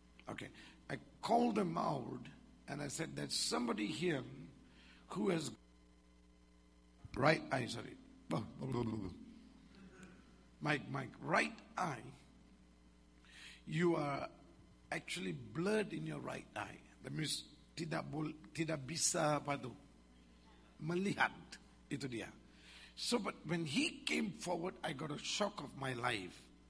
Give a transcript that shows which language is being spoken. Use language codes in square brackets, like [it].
[en] Okay, I called them out and I said, there's somebody here who has right eye, sorry. Mike, right eye. You are actually blurred in your right eye. That means [id] tidak bisa padu melihat itu dia. [en] So, but when he came forward, I got a shock of my life.